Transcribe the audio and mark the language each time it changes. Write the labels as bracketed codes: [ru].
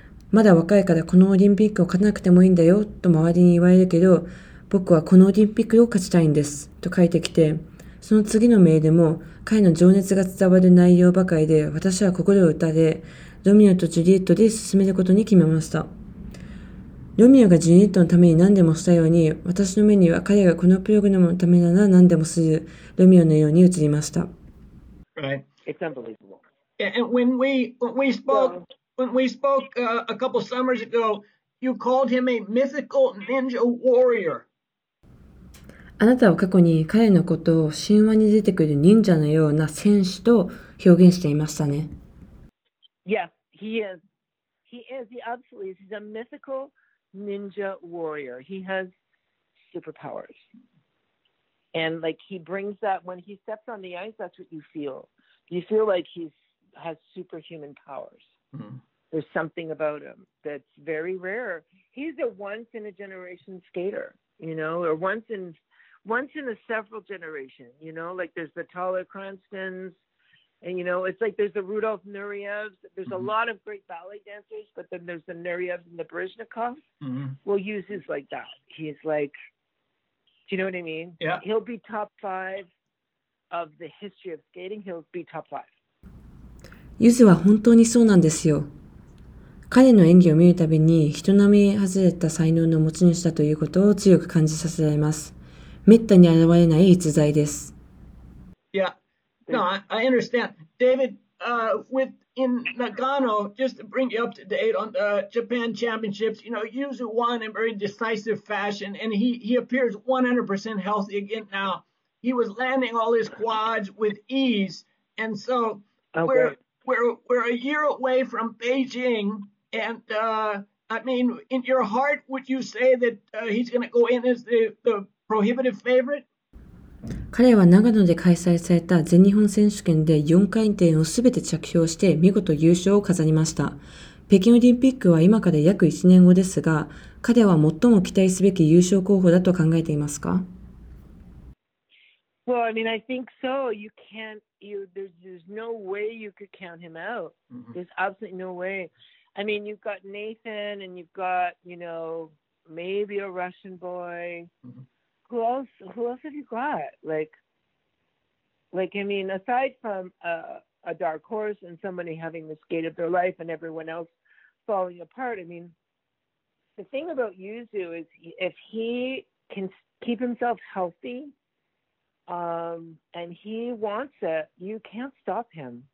[ja] まだ若いからこのオリンピックを勝たなくてもいいんだよ、と周りに言われるけど、僕はこのオリンピックを勝ちたいんです、と書いてきて、その次のメールも彼の情熱が伝わる内容ばかりで、私は心を打たれ、ロミオとジュリエットで進めることに決めました。ロミオがジュリエットのために何でもしたように、私の目には彼がこのプログラムのためなら何でもするロミオのように映りました。 [en] Right, it's unbelievable. And when we spoke a couple summers ago, you called him a mythical ninja warrior. [ja] あなたは過去に彼のことを神話に出てくる忍者のような戦士と表現していましたね。 [en] Yes, he is. He absolutely is. He's a mythical. Ninja warrior. He has superpowers. And like he brings that when he steps on the ice, that's what you feel. You feel like he has superhuman powers. Mm-hmm. There's something about him that's very rare. He's a once in a generation skater, you know, or once in a several generation, you know, like there's the Tyler Cranstons. And you know, it's like there's the Rudolf Nureyevs. There's a lot of great ballet dancers, but then there's the Nureyevs and the Baryshnikovs. Well, Yuz is like that. He's like, do you know what I mean? Yeah. He'll be top five of the history of skating. He'll be top five. [ja] Yuz は本当にそうなんですよ。彼の演技を見るたびに人並み外れた才能の持ち主だということを強く感じさせられます。めったに現れない逸材です。 [en] Yeah. No, I understand. David, in Nagano, just to bring you up to date on the Japan Championships, you know, Yuzu won in very decisive fashion, and he appears 100% healthy again now. He was landing all his quads with ease, and so we're a year away from Beijing, and I mean, in your heart, would you say that he's going to go in as the prohibitive favorite? [ja] 彼は長野で開催された全日本選手権で4回転をすべて着氷して見事優勝を飾りました。北京オリンピックは今から約1年後ですが、彼は最も期待すべき優勝候補だと考えていますか？ [en] Well, I mean, I think so. You can't, there's no way you could count him out. There's absolutely no way. I mean, you've got Nathan and you've got, you know, maybe a Russian boy. Who else have you got? Like, I mean, aside from a dark horse and somebody having the skate of their life and everyone else falling apart, I mean, the thing about Yuzu is if he can keep himself healthy and he wants it, you can't stop him.